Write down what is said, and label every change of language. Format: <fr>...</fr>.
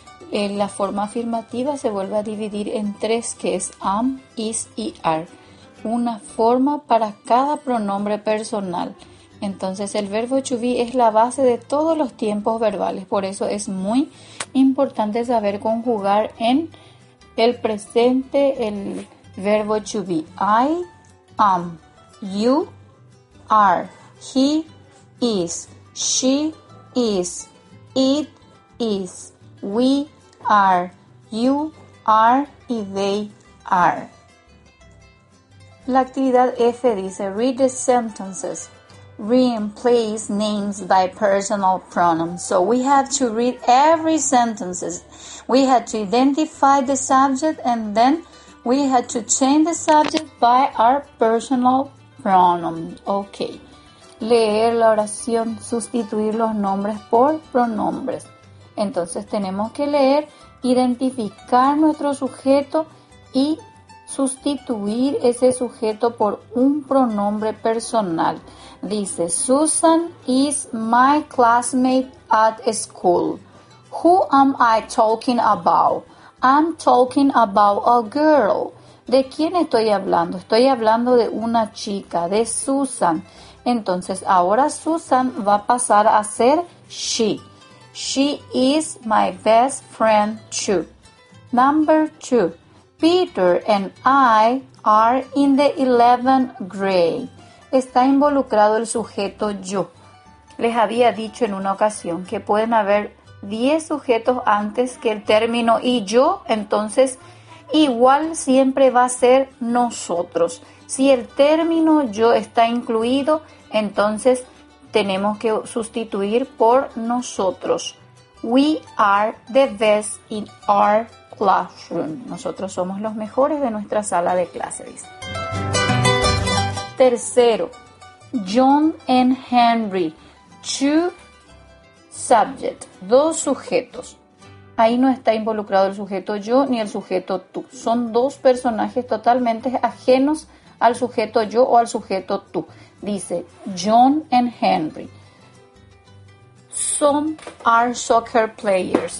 <es>La forma afirmativa se vuelve a dividir en tres, que es am, is y are. Una forma para cada pronombre personal. Entonces el verbo to be es la base de todos los tiempos verbales. Por eso es muy importante saber conjugar en el presente el verbo to be.</es> <en>I am, you are, he is, she is, it is, we are, you are y they are.</en> <es>La actividad F dice,</es> <en>read the sentences. Replace names by personal pronouns. So we have to read every sentence. We had to identify the subject and then we had to change the subject by our personal pronoun. Okay.</en> <es>Leer la oración, sustituir los nombres por pronombres. Entonces tenemos que leer, identificar nuestro sujeto y sustituir ese sujeto por un pronombre personal.</es> <en>Dice, Susan is my classmate at school. Who am I talking about? I'm talking about a girl.</en> <es>¿De quién estoy hablando? Estoy hablando de una chica, de Susan. Entonces, ahora Susan va a pasar a ser she.</es> <en>She is my best friend too. Number two. Peter and I are in the 11th grade.</en> <es>Está involucrado el sujeto yo. Les había dicho en una ocasión que pueden haber 10 sujetos antes que el término y yo, entonces igual siempre va a ser nosotros. Si el término yo está incluido, entonces tenemos que sustituir por nosotros.</es> <en>We are the best in our classroom.</en> <es>Nosotros somos los mejores de nuestra sala de clases. Tercero,</es> <en>John and Henry, two subjects,</en> <es>dos sujetos. Ahí no está involucrado el sujeto yo ni el sujeto tú. Son dos personajes totalmente ajenos al sujeto yo o al sujeto tú.</es> <en>Dice, John and Henry, some are soccer players.</en>